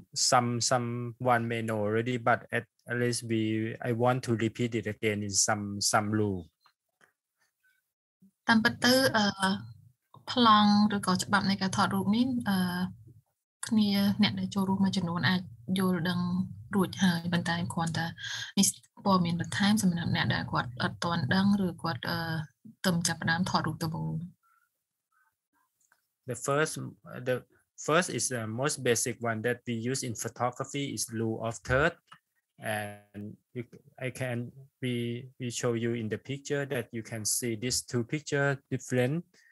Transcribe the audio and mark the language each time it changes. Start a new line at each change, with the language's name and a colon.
English: Someone may know already, but at least I want to repeat it again in some rule.
Khmer: តាមពិតទៅប្លង់ឬក៏ច្បាប់នៃការថតរូបនេះគ្នាអ្នកដែលចូលរួមមួយចំនួនអាចយល់ដឹងរួចហើយប៉ុន្តែគ្រាន់តែនេះព័ត៌មានបន្ថែមសម្រាប់អ្នកដែលគាត់អត់ទាន់ដឹងឬគាត់ទើបចាប់ផ្ដើមថតរូបដំបូង
English: The first is the most basic one that we use in photography is rule of thirds and we show you in the picture that you can see these two picture different